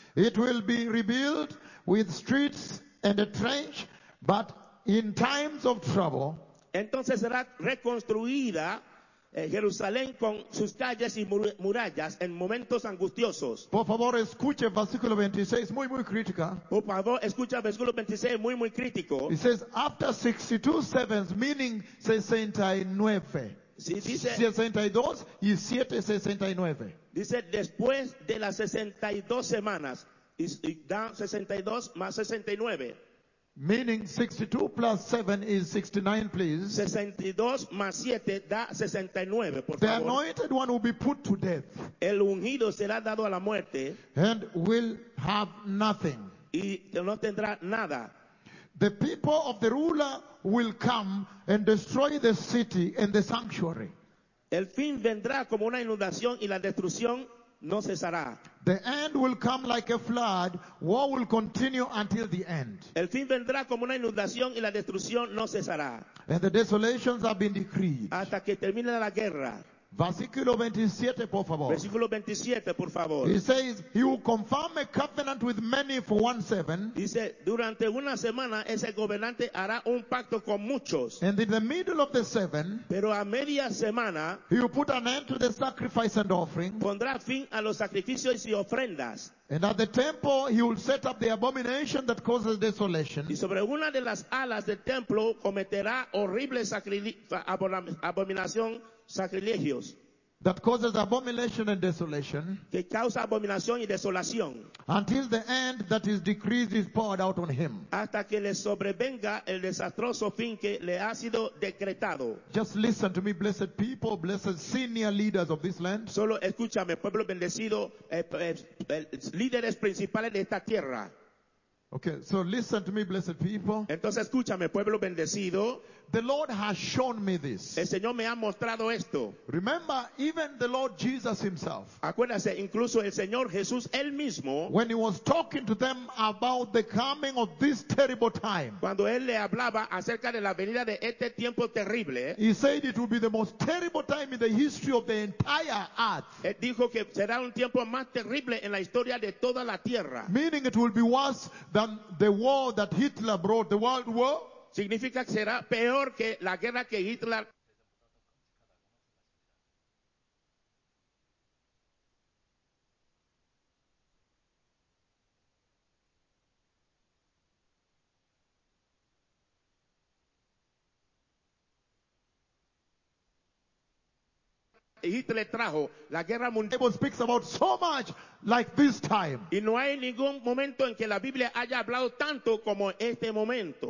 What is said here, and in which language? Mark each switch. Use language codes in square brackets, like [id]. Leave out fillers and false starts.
[en] It will be rebuilt with streets and a trench, but in times of trouble. [es] Entonces será reconstruida. Jerusalén con sus calles y murallas en momentos angustiosos. Por favor, escuche versículo 26, muy, muy crítica. Por favor, escucha versículo 26, muy, muy crítico. [en] It says, after 62 sevens, meaning 69. [es] Sí, dice, 62 y 7, 69. Dice, después de las 62 semanas, y 62 más 69. [en] Meaning 62 plus 7 is 69, please. [es] 62 más 7 da 69, por [en] the [es] favor. [en] Anointed one will be put to death. [es] El ungido será dado a la muerte. [en] And will have nothing. [es] Y no tendrá nada. [en] The people of the ruler will come and destroy the city and the sanctuary. [es] El fin vendrá como una inundación y la destrucción no cesará. [en] The end will come like a flood. War will continue until the end. [es] El fin vendrá como una inundación y la destrucción no cesará. [en] And the desolations have been decreed. [es] Hasta que termine la guerra. Versículo 27, por favor. Versículo 27, por favor. [en] He says, he will confirm a covenant with many for 1 7. [es] Dice, durante una semana ese gobernante hará un pacto con muchos. [en] And in the middle of the 7, [es] pero a media semana, [en] he will put an end to the sacrifice and offering. [es] Pondrá fin a los sacrificios y ofrendas. [en] And at the temple, he will set up the abomination that causes desolation. [es] Y sobre una de las alas del templo cometerá horrible abominación. Sacrilegios. [en] That causes abomination and desolation. [es] Que causa abominación y desolación. [en] Until the end that is decreed is poured out on him. [es] Hasta que le sobrevenga el desastroso fin que le ha sido decretado. [en] Just listen to me, blessed people, blessed senior leaders of this land. [es] Solo escúchame, pueblo bendecido, líderes principales de esta tierra. [en] Okay, so listen to me, blessed people. [es] Entonces escúchame, pueblo bendecido. [en] The Lord has shown me this. [es] El Señor me ha mostrado esto. [en] Remember, even the Lord Jesus himself. [es] Acuérdase, incluso el Señor Jesús, él mismo. [en] When he was talking to them about the coming of this terrible time. [es] Cuando él le hablaba acerca de la venida de este tiempo terrible. [en] He said it will be the most terrible time in the history of the entire earth. [es] Él dijo que será un tiempo más terrible en la historia de toda la tierra. [en] Meaning it will be worse than the war that Hitler brought, the world war. [es] Significa que será peor que la guerra que Hitler. Hitler trajo la guerra mundial. [en] The Bible speaks about so much like this time. [es] Y no hay ningún momento en que la Biblia haya hablado tanto como este momento.